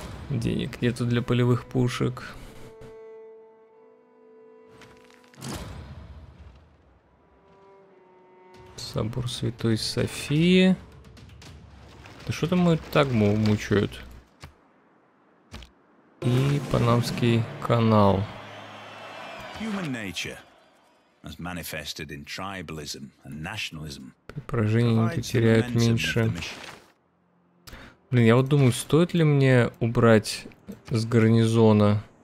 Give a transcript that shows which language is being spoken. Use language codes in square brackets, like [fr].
[ru] Денег нету для полевых пушек. Собор Святой Софии. Да что там мой тагму мучают? И Панамский канал. [en] Human nature has manifested in tribalism and nationalism. [ru] Поражение теряют меньше. Блин, я вот думаю, стоит ли мне убрать с гарнизона.